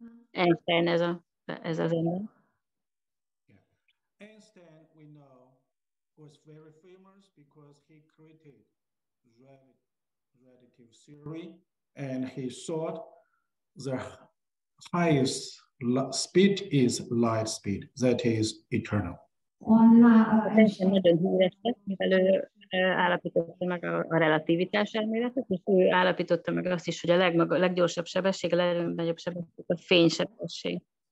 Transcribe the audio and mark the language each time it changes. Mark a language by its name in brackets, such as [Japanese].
[Hungarian] Einstein ez a, ez az ember. [English] Einstein, we know, was very famous because he created relative theory, and he thought the highest speed is light speed, that is eternal. [Hungarian] Einstein nagyon híres lett, mivel ő állapította meg a relativitás elméletet, és ő állapította meg azt is, hogy a leggyorsabb sebesség, a legnagyobb sebesség a fénysebesség.